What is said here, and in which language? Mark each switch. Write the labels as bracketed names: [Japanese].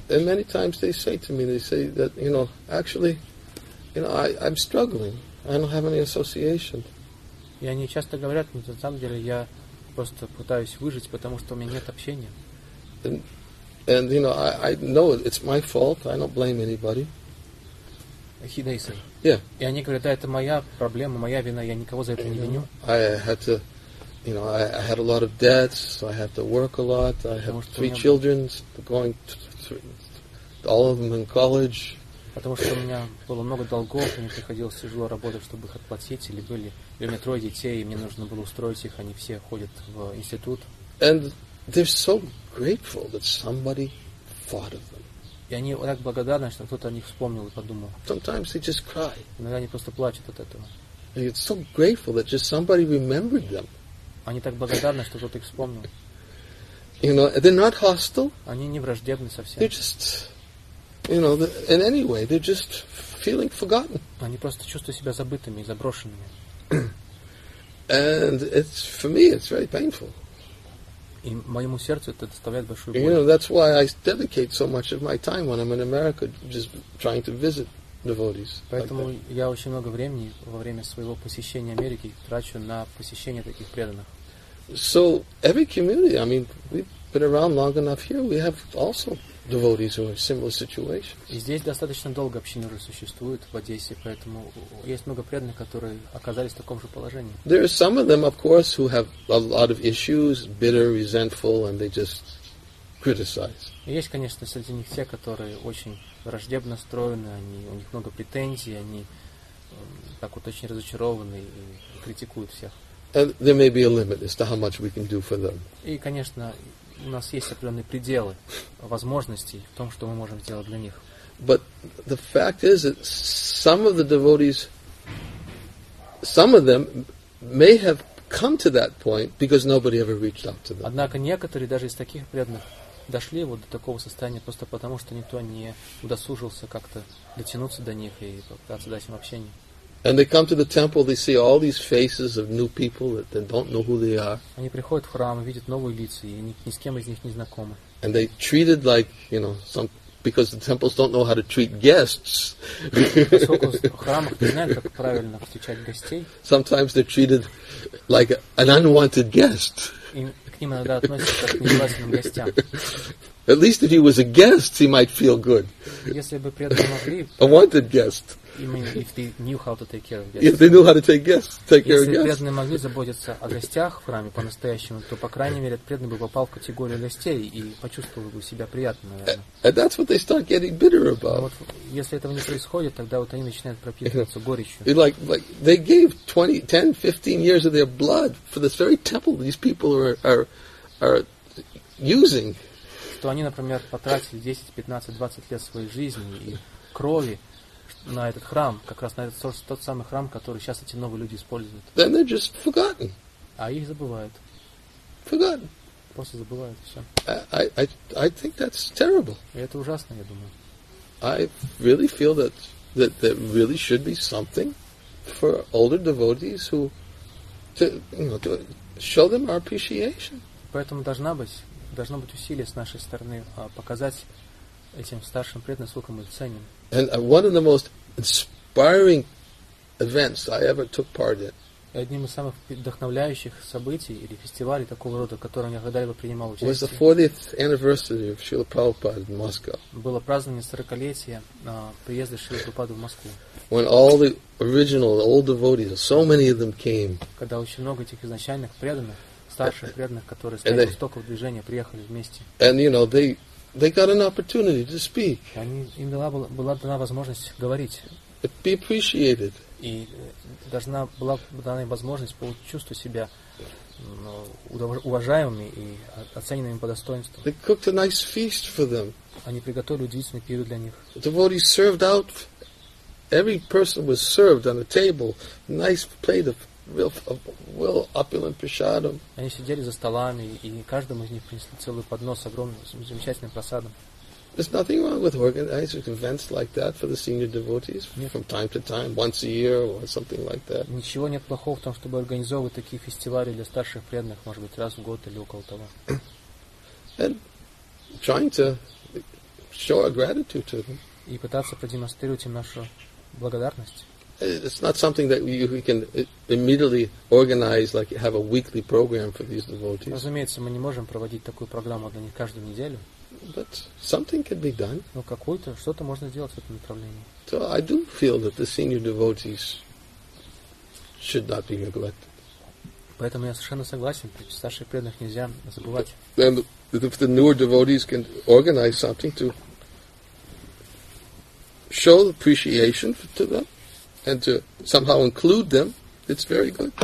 [English] And many times they say to me, they say that, you know, actually, you know, I'm struggling. I don't have any association. [Russian] И они часто говорят мне, на самом деле я просто пытаюсь выжить, потому что у меня нет общения. [English] And you know, I know it's my fault. I don't blame anybody. Хидейсен. Yeah. [Russian] И они говорят, да, это моя проблема, моя вина, я никого за это не виню. [English] I had a lot of debts, so I had to work a lot. I have three children going to all of them in college. [Russian] Потому что у меня было много долгов, мне приходилось тяжело работать, чтобы их отплатить, или у меня трое детей, и мне нужно было устроить их, они все ходят в институт. [English] And they're so grateful that somebody thought of them. [Russian] И они так благодарны, что кто-то о них вспомнил и подумал. [English] Sometimes they just cry. [Russian] Иногда они просто плачут от этого. [English] They get so grateful that just somebody remembered them. [Russian] Они так благодарны, что кто-то их вспомнил. [English] You know, they're not hostile. [Russian] Они не враждебны совсем. [English] They're just, you know, in any way, they're just feeling forgotten. [Russian] Они просто чувствуют себя забытыми и заброшенными. [English] And it's, for me, it's very painful. [Russian] И моему сердцу это доставляет большую боль. [English] You know, that's why I dedicate so much of my time when I'm in America just trying to visit devotees. [Russian] Поэтому я очень много времени во время своего посещения Америки трачу на посещение таких преданных. [English] So every community, I mean, we've been around long enough here, we have also devotees who are in similar situations. [Russian] И здесь достаточно долго община уже существует в Одессе, поэтому есть много преданных, которые оказались в таком же положении. [English] There are some of them, of course, who have a lot of issues, bitter, resentful, and they just criticize. [Russian] Есть, конечно, среди них те, которые очень враждебно настроены, они, у них много претензий, они так вот очень разочарованы и критикуют всех. [English] And there may be a limit as to how much we can do for them. [Russian] И, конечно, у нас есть определенные пределы возможностей в том, что мы можем сделать для них. [English] But the fact is that some of the devotees, some of them may have come to that point because nobody ever reached out to them. [Russian] Однако некоторые даже из таких преданных дошли вот до такого состояния просто потому, что никто не удосужился как-то дотянуться до них и попытаться дать им общение. [English] And they come to the temple, they see all these faces of new people that they don't know who they are. [Russian] Они приходят в храм и видят новые лица, и ни с кем из них не знакомы. [English] And they treated like, you know, some because the temples don't know how to treat guests. [Russian] Поскольку в храмах не знают, как правильно встречать гостей. [English] Sometimes they're treated like an unwanted guest. [Russian] И к ним иногда относятся как к нежелательным гостям. [English] At least if he was a guest, he might feel good. [Russian] Если бы преданные могли. [English] A wanted guest. I mean, if they knew how to take care of guests. If they knew how to take guests, take care of guests. [Russian] Если преданные могли заботиться о гостях в храме по-настоящему, то по крайней мере преданный бы попал в категорию гостей и почувствовал бы себя приятно, наверное. [English] And that's what they start getting bitter about. [Russian] Вот, если этого не происходит, тогда вот они начинают пропитываться горечью. [English] Like they gave 10-15 years of their blood for this very temple these people are using. [Russian] Что они, например, потратили 10-15-20 лет своей жизни и крови на этот храм, как раз на этот тот самый храм, который сейчас эти новые люди используют. [English] Then they're just forgotten. [Russian] А их забывают. [English] Forgotten. [Russian] Просто забывают все. [English] I think that's terrible. [Russian] И это ужасно, я думаю. [English] I really feel that there really should be something for older devotees who to show them our appreciation. [Russian] Поэтому должно быть усилие с нашей стороны показать этим старшим преданным, насколько мы их ценим. [English] And one of the most inspiring events I ever took part in. [Russian] Одним из самых вдохновляющих событий или фестивалей такого рода, в котором я когда-либо принимал участие. [English] Was the 40th anniversary of Srila Prabhupada in Moscow. [Russian] Было празднование 40-летия приезда Шрилы Прабхупады в Москву. [English] When all the original, the old devotees, so many of them came. [Russian] Когда очень много этих изначальных преданных, старших преданных, которые стояли столько в движении, приехали вместе. [English] And you know they got an opportunity to speak. [Russian] Они им была дана возможность говорить. [English] Be appreciated. [Russian] И должна была дана возможность почувствовать себя уважаемыми и оцененными по достоинству. [English] They cooked a nice feast for them. [Russian] Они приготовили удивительный пир для них. [English] The devotees served out. Every person was served on a table, nice plate of well opulent prasadam. [Russian] Они сидели за столами, и каждому из них принесли целый поднос огромным замечательным прасадом. [English] There's nothing wrong with organizing events like that for the senior devotees from time to time, once a year or something like that. [Russian] Ничего нет плохого в том, чтобы организовывать такие фестивали для старших преданных, может быть, раз в год или около того. [English] And trying to show our gratitude to them. [Russian] И пытаться продемонстрировать им нашу благодарность. [English] It's not something that we can immediately organize, like have a weekly program for these devotees. [Russian] Разумеется, мы не можем проводить такую программу для них каждую неделю. [English] But something can be done. [Russian] Но какое-то что-то можно сделать в этом направлении. [English] So I do feel that the senior devotees should not be neglected. [Russian] Поэтому я совершенно согласен, старших преданных нельзя забывать. [English] And if the newer devotees can organize something to show appreciation to them. And to somehow include them, it's very good.